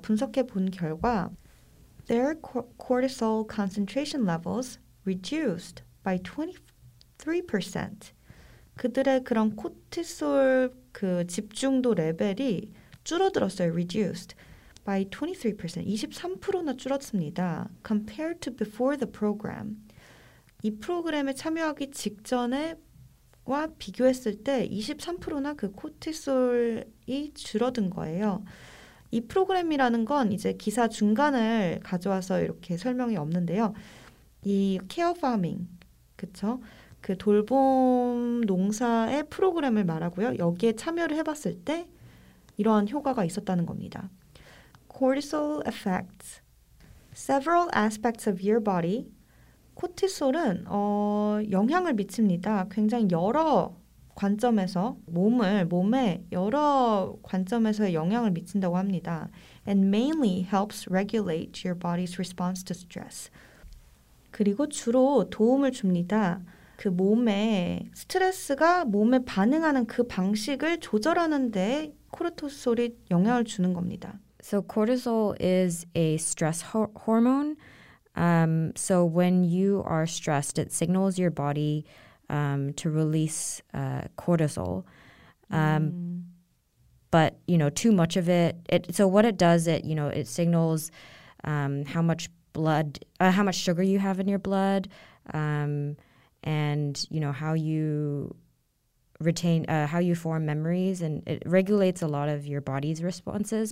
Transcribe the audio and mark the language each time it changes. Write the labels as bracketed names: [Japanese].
[Korean] 분석해 본 결과 [English] their cortisol concentration levels reduced by 23%. [Korean] 그들의 그런 코티솔 그 집중도 레벨이 줄어들었어요. [English] reduced by 23%. [Korean] 23%나 줄었습니다. [English] compared to before the program. [Korean] 이 프로그램에 참여하기 직전에와 비교했을 때 23%나 그 코티솔이 줄어든 거예요. 이 프로그램이라는 건 이제 기사 중간을 가져와서 이렇게 설명이 없는데요. 이 케어 파밍, 그렇죠? 그 돌봄 농사의 프로그램을 말하고요. 여기에 참여를 해봤을 때 이러한 효과가 있었다는 겁니다. [English] Cortisol effects. Several aspects of your body. [Korean] 코티솔은 영향을 미칩니다. 굉장히 여러 관점에서 몸에 여러 관점에서 영향을 미친다고 합니다. [English] And mainly helps regulate your body's response to stress. [Korean] 그리고 주로 도움을 줍니다. 그 몸에 스트레스가 몸에 반응하는 그 방식을 조절하는 데 코르티솔이 영향을 주는 겁니다. [English] So cortisol is a stress hormone. So when you are stressed, it signals your body to release cortisol. But you know, too much of it. So what it does, it signals how much blood, how much sugar you have in your blood, and you know how you retain, how you form memories, and it regulates a lot of your body's responses.